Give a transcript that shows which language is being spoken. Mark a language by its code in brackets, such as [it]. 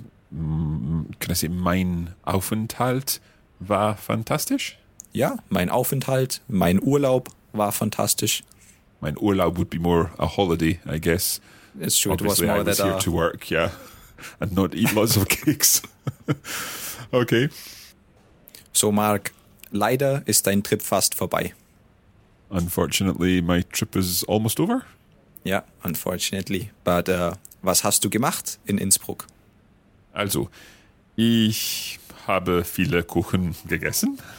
[en] Can I say [de] mein Aufenthalt war fantastisch? Ja, mein Aufenthalt, mein Urlaub war fantastisch. Mein Urlaub [en] would be more a holiday, I guess. It's true. Obviously, it was more I was that, here to work, yeah, and not eat lots of cakes. Okay. [de] So, Mark, leider ist dein Trip fast vorbei. [en] Unfortunately, my trip is almost over. Yeah, unfortunately. But [de] was hast du gemacht in Innsbruck? Also, ich habe viele Kuchen gegessen.